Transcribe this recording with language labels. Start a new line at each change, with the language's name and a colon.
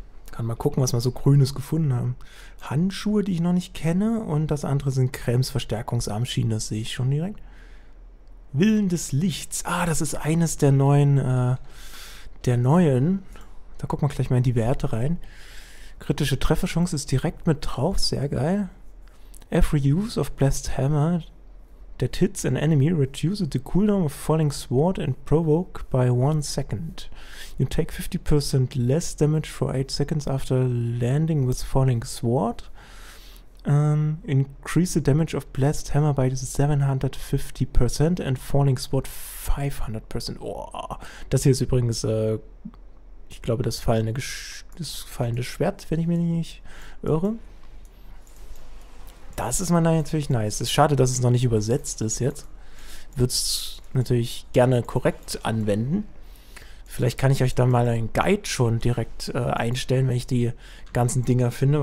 German: Kann mal gucken, was wir so Grünes gefunden haben. Handschuhe, die ich noch nicht kenne. Und das andere sind Krems-Verstärkungsarmschienen, das sehe ich schon direkt. Willen des Lichts. Ah, das ist eines der neuen... Da gucken wir gleich mal in die Werte rein. Kritische Trefferchance ist direkt mit drauf, sehr geil.
English: Every use of Blessed Hammer that hits an enemy reduces the cooldown of Falling Sword and Provoke by 1 second. You take 50% less damage for 8 seconds after landing with Falling Sword. Increase the damage of Blessed Hammer by 750% and Falling Sword 500%.
German: Oh, das hier ist übrigens, ich glaube, das fallende Schwert, wenn ich mich nicht irre. Das ist mal natürlich nice. Ist schade, dass es noch nicht übersetzt ist jetzt. Würde es natürlich gerne korrekt anwenden. Vielleicht kann ich euch dann mal einen Guide schon direkt einstellen, wenn ich die ganzen Dinger finde.